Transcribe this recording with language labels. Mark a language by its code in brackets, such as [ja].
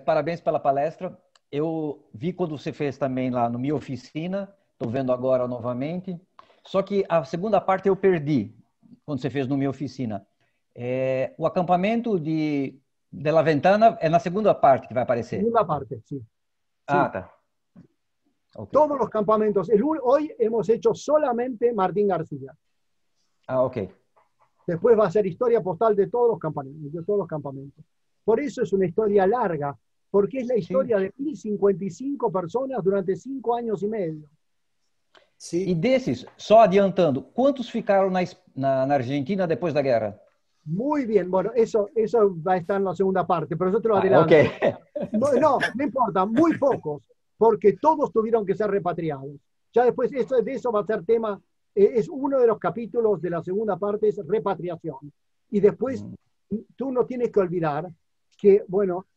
[pt] Parabéns pela palestra. Eu vi quando você fez também lá na minha oficina. Estou vendo agora novamente. Só que a segunda parte eu perdi quando você fez na minha oficina. O acampamento de... De La Ventana é na segunda parte que vai aparecer. Segunda parte, sim. Ah, tá. Okay. Todos os campamentos. [es] Hoje hemos hecho solamente Martín García. Ah, ok. [pt] Depois vai ser história postal de todos os campamentos. Por isso é uma história larga, porque é a história de 1055 pessoas durante 5 anos e meio. Sim. E desses, só adiantando, quantos ficaram na Argentina depois da guerra? [es] Muy bien, bueno, eso va a estar en la segunda parte, pero yo te lo adelanto. Okay. No importa, muy pocos, porque todos tuvieron que ser repatriados. Ya después de eso va a ser tema, es uno de los capítulos de la segunda parte, es repatriación. Y después tú no tienes que olvidar que, bueno,